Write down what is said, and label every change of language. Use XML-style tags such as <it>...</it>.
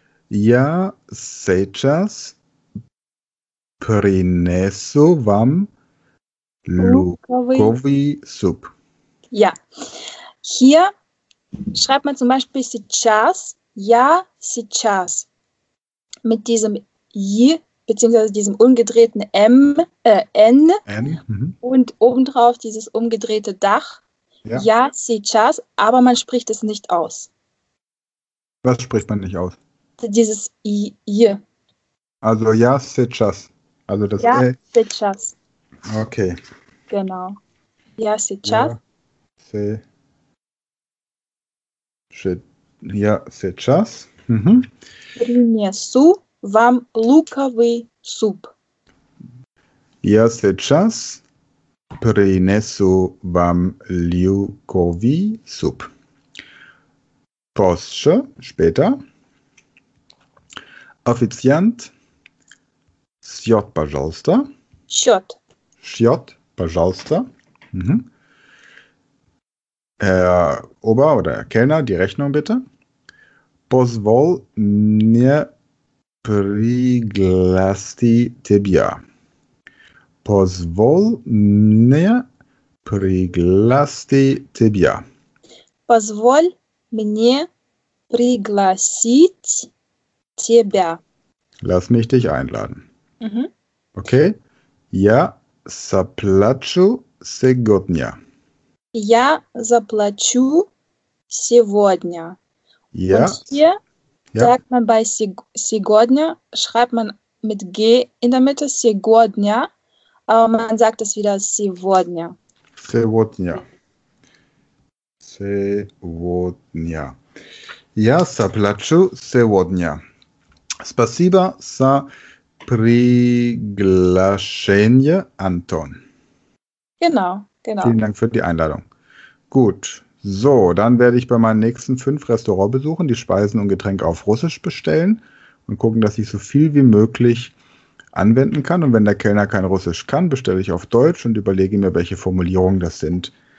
<ru>Ja, сейчас принесу вам луковисуп.</ru> <de>Ja. Hier schreibt man zum Beispiel сейчас.</de> <ru>Ja, сейчас.</ru> <de>Mit diesem i beziehungsweise diesem umgedrehten M, N, N und obendrauf dieses umgedrehte Dach. Ja, сейчас, aber man spricht es nicht aus. Was spricht man nicht aus? Dieses I, I. Also ja, сейчас. Also das ja, L.</de> <ru>сейчас.</ru> <de>Okay. Genau. Ja, сейчас.</de> <ru>Ja, сейчас. Принесу. Вам луковый суп. Я сейчас принесу вам луковый суп. Позже, später. Официант, счет, пожалуйста. Счет. Счет, пожалуйста. Mhm.</ru> <de>Herr Ober- oder Herr Kellner, die Rechnung bitte.</de> <ru>Позвол мне пригласти тебя. Позволь мне пригласти тебя. Позволь мне пригласить тебя.</ru> <de>Lass mich dich einladen. Mhm.</de> <ru>Okay. Я заплачу сегодня. Я заплачу сегодня.</ru> <de>Ja. Und hier ja. Sagt man bei сегодня, schreibt man mit G in der Mitte, сегодня, aber man sagt es wieder сегодня.</de> <ru>Сегодня. Сегодня. Я заплачу сегодня. Спасибо за приглашение, Антон.</ru> <de>Genau, genau. Vielen Dank für die Einladung. Gut, So, dann werde ich bei meinen nächsten 5 Restaurants besuchen, die Speisen und Getränke auf Russisch bestellen und gucken, dass ich so viel wie möglich anwenden kann. Und wenn der Kellner kein Russisch kann, bestelle ich auf Deutsch und überlege mir, welche Formulierungen das sind.</de>